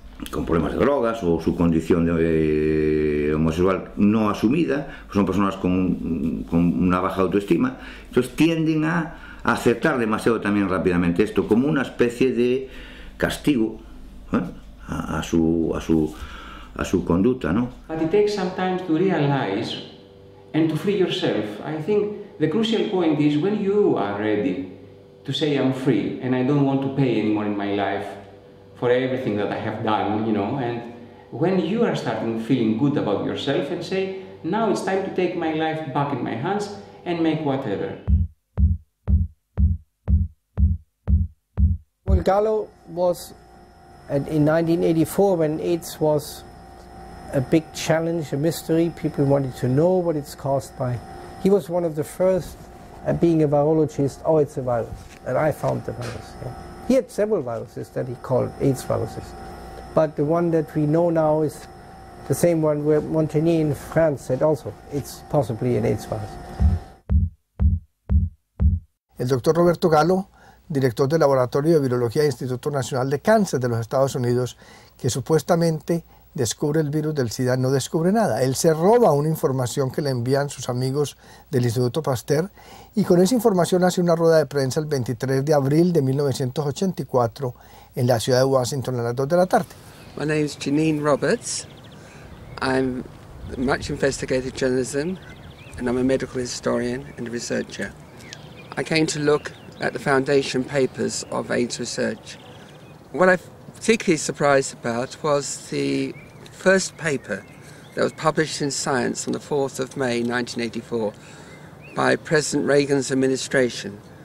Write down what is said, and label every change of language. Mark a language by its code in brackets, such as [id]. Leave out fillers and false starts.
[es] con problemas de drogas o su condición de homosexual no asumida, pues son personas con una baja autoestima, entonces tienden a aceptar demasiado también rápidamente esto como una especie de castigo, ¿eh? a su conducta, ¿no? [en] But it takes some time to realize and to free yourself. I think the crucial point is when you are ready to say I'm free and I don't want to pay anymore in my life for everything that I have done, you know, and when you are starting feeling good about yourself and say, now it's time to take my life back in my hands and make whatever. Well, Gallo was in 1984, when AIDS was a big challenge, a mystery, people wanted to know what it's caused by. He was one of the first at being a virologist, oh, it's a virus, and I found the virus. Yeah. He had several viruses that he called AIDS viruses. But the one that we know now is the same one where Montigny in France said also, it's possibly an AIDS virus. [es] El Dr. Roberto Gallo, director del Laboratorio de Virología del Instituto Nacional de Cáncer de los Estados Unidos, que supuestamente descubre el virus del SIDA, no descubre nada. Él se roba una información que le envían sus amigos del Instituto Pasteur y con esa información hace una rueda de prensa el 23 de abril de 1984 en la ciudad de Washington a las 2 de la tarde. [en] My name is Janine Roberts. I'm much investigative journalism and I'm a medical historian and researcher. I came to look at the foundation papers of AIDS research. Particularly surprised about was the first paper that was published in Science on the 4th of May 1984 by President Reagan's administration.